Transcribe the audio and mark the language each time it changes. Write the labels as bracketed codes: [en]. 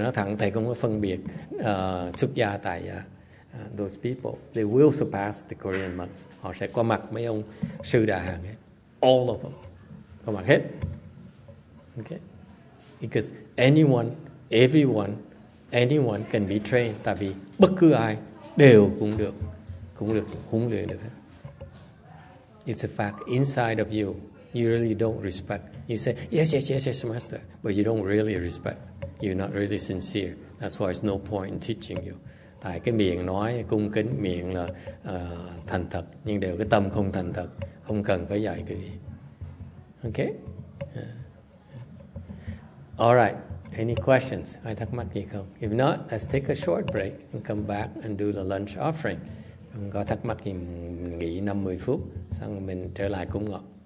[vi] Thầy nói thẳng, thầy không có phân biệt xuất gia, tài gia. [en] Those people, they will surpass the Korean monks. [vi] Họ sẽ có mặt mấy ông sư đại hàng hết. [en] All of them. [vi] Có mặt hết. [en] Okay. Because anyone, everyone, anyone can be trained. [vi] Tại vì bất cứ ai đều cũng được huấn luyện được hết. [en] It's a fact inside of you. You really don't respect. You say, yes, yes, yes, yes, master. But you don't really respect. You're not really sincere. That's why it's no point in teaching you. [vi] Tại cái miệng nói cung kính, miệng là thành thật, nhưng đều cái tâm không thành thật, không cần phải dạy cái gì. [en] Okay? All right. Any questions? [vi] Ai thắc mắc gì không? [en] If not, let's take a short break and come back and do the lunch offering. [vi] Không có thắc mắc gì, nghỉ 50 phút, xong mình trở lại cúng ngọt.